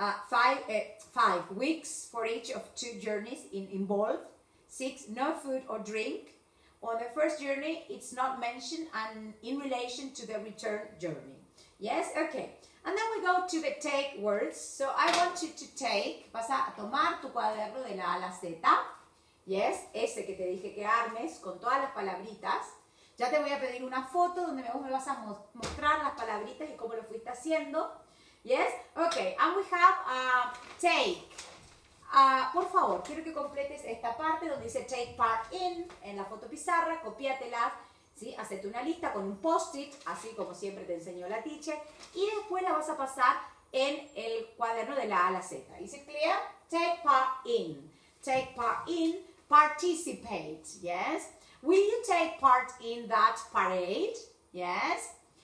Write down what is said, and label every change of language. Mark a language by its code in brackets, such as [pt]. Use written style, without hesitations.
[en] five weeks for each of 2 journeys involved, 6, no food or drink on the first journey, it's not mentioned, and in relation to the return journey. Yes, okay. And then we go to the take words. So I want you to take, [es] vas a tomar tu cuaderno de la A a la Z. Yes, ese que te dije que armes con todas las palabritas. Ya te voy a pedir una foto donde vos me vas a mostrar las palabritas y cómo lo fuiste haciendo. Yes, okay. [en] And we have take. [es] Por favor, quiero que completes esta parte donde dice take part in la foto pizarra, copiátelas. ¿Sí? Hacete una lista con un post-it, así como siempre te enseñó la teacher, y después la vas a pasar en el cuaderno de la A a la Z. ¿Is it clear? Take part in. [en] take part in, participate, yes? Will you take part in that parade, yes?